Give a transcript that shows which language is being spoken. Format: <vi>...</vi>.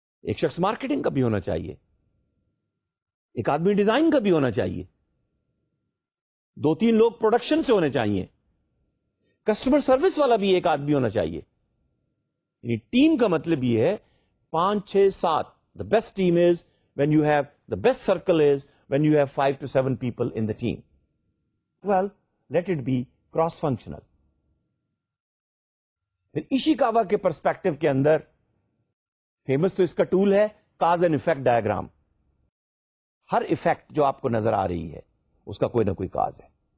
<ur>ایک شخص مارکیٹنگ کا بھی ہونا چاہیے, ایک آدمی ڈیزائن کا بھی ہونا چاہیے, دو تین لوگ پروڈکشن سے ہونے چاہیے, کسٹمر سروس والا بھی ایک آدمی ہونا چاہیے. یعنی ٹیم کا مطلب یہ ہے 5, 6, 7.</ur> <en>The best team is when you have the best circle is when you have 5 to 7 people in the team. Well, let it be cross functional.</en> <ur>پھر ایشیکاوا کے پرسپیکٹو کے اندر فیمس تو اس کا ٹول ہے, cause and effect diagram. Hare effect جو آپ کو نظر آ رہی ہے اس کا کوئی نہ کوئی کاز ہے.</ur>